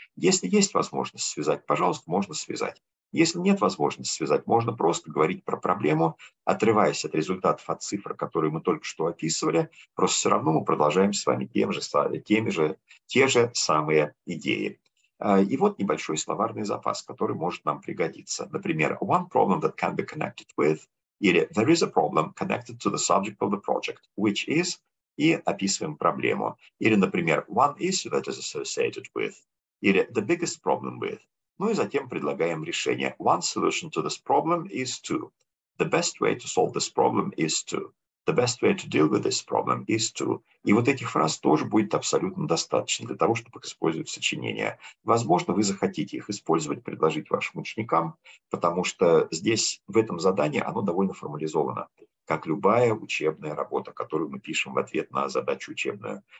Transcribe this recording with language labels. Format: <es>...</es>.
<ru>Если есть возможность связать, пожалуйста, можно связать. Если нет возможности связать, можно просто говорить про проблему, отрываясь от результатов, от цифр, которые мы только что описывали. Просто все равно мы продолжаем с вами те же самые идеи. И вот небольшой словарный запас, который может нам пригодиться. Например,</ru> <en>one problem that can be connected with.</en> <ru>Или</ru> <en>there is a problem connected to the subject of the project, which is,</en> <ru>и описываем проблему. Или, например,</ru> <en>one issue that is associated with,</en> <ru>или</ru> <en>the biggest problem with.</en> <ru>Ну и затем предлагаем решение.</ru> <en>One solution to this problem is to. The best way to solve this problem is to. The best way to deal with this problem is to.</en> <ru>И вот этих фраз тоже будет абсолютно достаточно для того, чтобы их использовать в сочинении. Возможно, вы захотите их использовать, предложить вашим ученикам, потому что здесь, в этом задании, оно довольно формализовано, как любая учебная работа, которую мы пишем в ответ на задачу учебную.</ru>